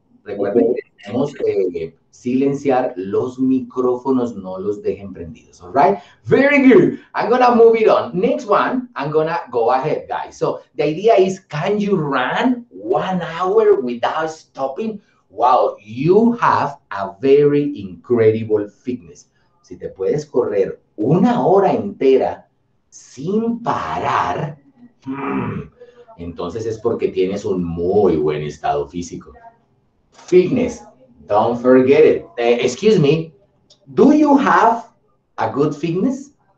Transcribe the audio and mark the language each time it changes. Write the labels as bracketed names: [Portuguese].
[Spanish] Recuerden que tenemos que silenciar los micrófonos, no los dejen prendidos. [English] All right. Very good. I'm gonna move it on. Next one. I'm gonna go ahead, guys. So the idea is, can you run 1 hour without stopping? Wow, you have a very incredible fitness. [Spanish] Si te puedes correr 1 hora entera sin parar, entonces es porque tienes un muy buen estado físico. [English] Fitness, don't forget it. Excuse me, do you have a good fitness?